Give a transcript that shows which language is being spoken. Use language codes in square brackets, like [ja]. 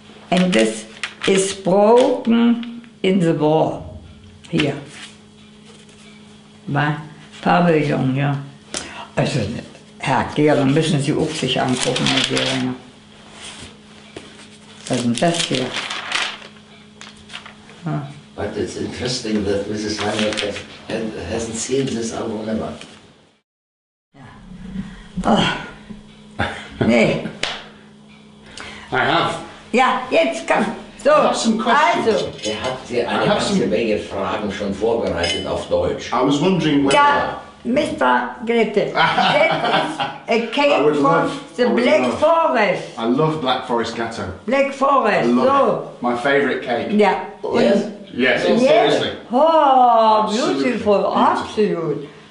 [en] And this is broken in the wall here. [de] Mein Pavillon, ja. Also, Herr Gehring, müssen Sie auch sich angucken, Herr Gehring. Was ist denn das hier? Ja. [en] But it's interesting that Mrs. Manjock hasn't seen this album ever. [de] Oh. Nee. [en] I have. [de] Ja, jetzt komm. So. [en] I have some questions. [de] Also. Er hat dir eine ganze Menge Fragen schon vorbereitet auf Deutsch. [en] I was wondering whether... [de] Ja, Mr. Gedhill. [en] That is a cake from the Black Forest. I love Black Forest ghetto. Black Forest, I love so. It. My favorite cake. [de] Ja. Und [en] yes. Yes, oh, yes, seriously. Oh, beautiful, absolute.